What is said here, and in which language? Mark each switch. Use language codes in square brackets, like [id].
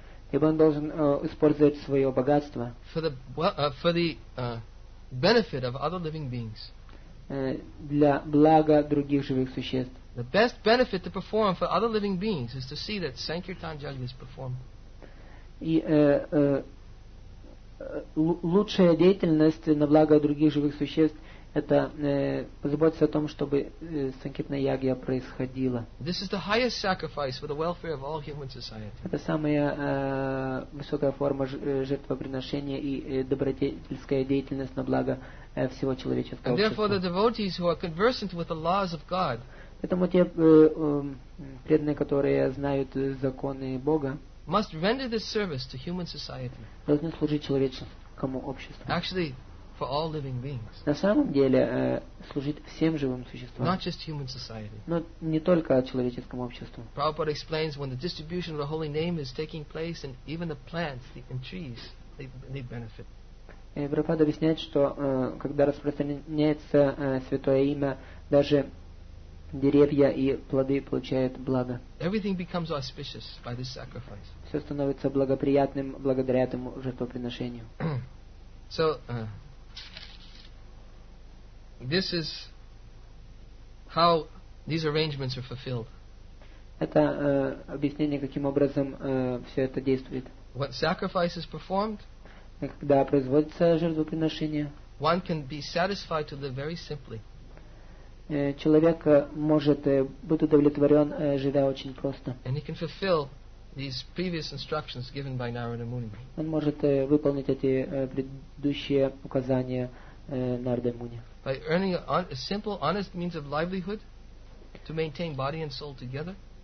[ru] Ибо он должен использовать свое богатство для блага других живых существ. [en] The best benefit to perform for other living beings is to see that Sankirtan Yajna is performed. [ru] И лучшая деятельность на благо других живых существ это позаботиться о том, чтобы Санкиртана Ягья происходила. [en] This is the highest sacrifice for the welfare of all human society. [ru] Это самая высокая форма жертвоприношения и добродетельская деятельность на благо всего человеческого общества. [en] And therefore the devotees who are conversant with the laws of God. [ru] Поэтому те преданные, которые знают законы Бога, [en] must render this service to human society. [ru] Должны служить человеческому обществу. [en] Actually, for all living beings. [ru] На самом деле, служить всем живым существам. [en] Not just human society. [ru] Но не только человеческому обществу. [en] Prabhupada explains when the distribution of the holy name is taking place, and even the plants and trees, they benefit. [ru] Прабхупада объясняет, что когда распространяется святое имя, даже деревья и плоды получают благо. [en] Everything becomes auspicious by this sacrifice. [ru] Все становится благоприятным благодаря этому жертвоприношению. [en] So, this is how these arrangements are fulfilled. [ru] Это объяснение, каким образом все это действует. [en] When sacrifice is performed, [ru] когда производится жертвоприношение, [en] one can be satisfied to live very simply. [ru] Человек может быть удовлетворен, живя очень просто. [en] And he can fulfill these previous instructions given by Narada Muni. [ru] Он может выполнить эти предыдущие указания Нардамуни. [en] By earning a simple, honest means of livelihood to maintain body and soul together.